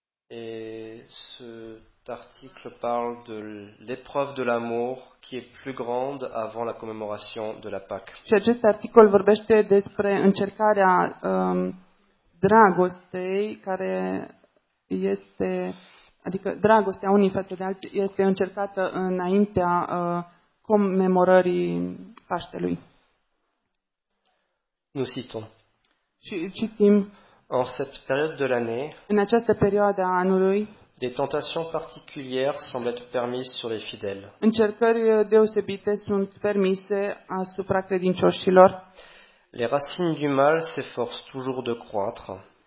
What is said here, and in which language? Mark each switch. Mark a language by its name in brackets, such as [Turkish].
[French] Et cet article parle de l'épreuve de l'amour qui est plus grande avant la commémoration de la Pâque. [Romanian] Și acest articol vorbește despre încercarea dragostei care este, adică dragostea unii față de alții este încercată înaintea comemorării Paștelui. [French] Nous citons. [Romanian] Și citim. [French] En cette période de l'année, [Romanian] în această perioadă a anului, [French] des tentations particulières semblent être permises sur les fidèles. [Romanian] Încercări deosebite sunt permise asupra credincioșilor. [French] Les racines du mal s'efforcent toujours de croître.